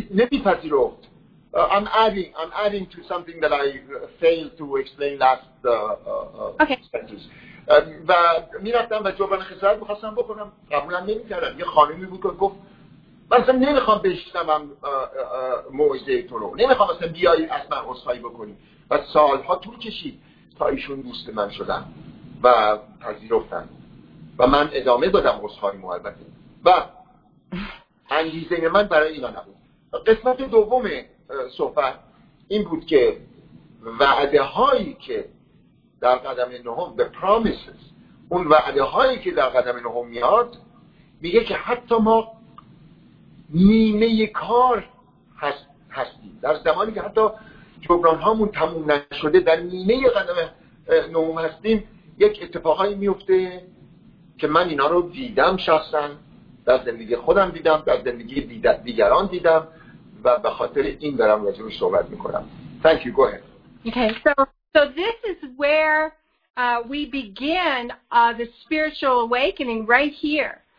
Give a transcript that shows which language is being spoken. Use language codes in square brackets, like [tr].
[en] I'm adding to something that I failed to explain last sentence. [fa] و میرفتم و جبران خسارت بخواستم بکنم، قبولم نمی کردم. یه خانمی بود که گفت من اصلا نمیخوام بشنم موعظه تو رو، نمیخوام اصلا بیایی از من عذرخواهی بکنی، و سالها طول کشید تا ایشون دوست من شدن و پذیرفتن و من ادامه دادم عذرخواهی مو البته و انگیزه من برای اینا نبود. قسمت دوم صحبت این بود که وعده هایی که در قدم نهم به promises، اون وعده هایی که در قدم نهم میاد میگه که حتی ما نیمه کار هستیم، در زمانی که حتی جبران هامون تموم نشده در نیمه قدم نهم هستیم یک اتفاقایی میفته که من اینا رو دیدم، شخصا در زندگی خودم دیدم، در زندگی دیگران دیدم و به خاطر این دارم راجع بهش صحبت میکنم. [en] Thank you. Go ahead. Okay. So this is where we begin the spiritual awakening right here.